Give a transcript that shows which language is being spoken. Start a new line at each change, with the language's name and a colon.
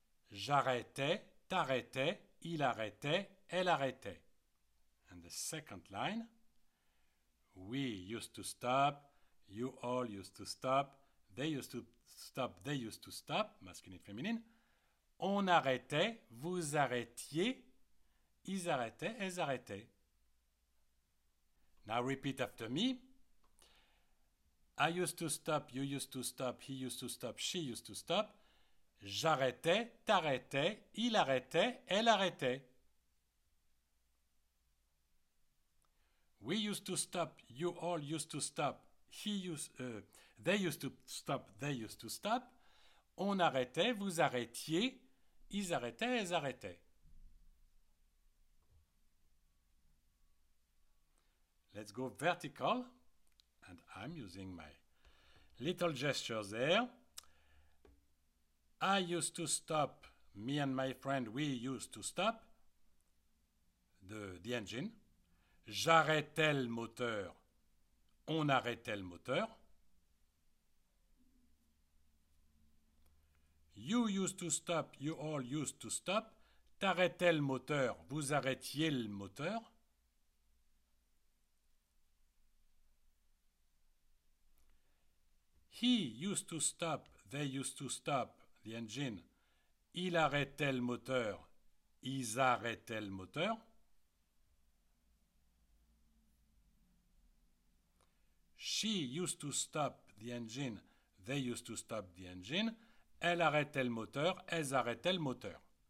French: J'arrêtais, t'arrêtais, il arrêtait, elle arrêtait.
English: And the second line, we used to stop, you all used to stop, they used to stop, they used to stop, masculine, feminine.
French: On arrêtait, vous arrêtiez, ils arrêtaient, elles arrêtaient.
English: Now repeat after me. I used to stop, you used to stop, he used to stop, she used to stop.
French: J'arrêtais, t'arrêtais, il arrêtait, elle arrêtait.
English: We used to stop, you all used to stop, they used to stop, they used to stop.
French: On arrêtait, vous arrêtiez, ils arrêtaient, elles arrêtaient.
English: Let's go vertical, and I'm using my little gestures there. I used to stop, me and my friend, we used to stop the engine.
French: J'arrêtais le moteur, on arrêtait le moteur.
English: You used to stop, you all used to stop.
French: T'arrêtais le moteur, vous arrêtiez le moteur.
English: He used to stop, they used to stop the engine.
French: Il arrêtait le moteur, ils arrêtaient le moteur.
English: She used to stop the engine, they used to stop the engine.
French: Elle arrêtait le moteur, elles arrêtaient le moteur.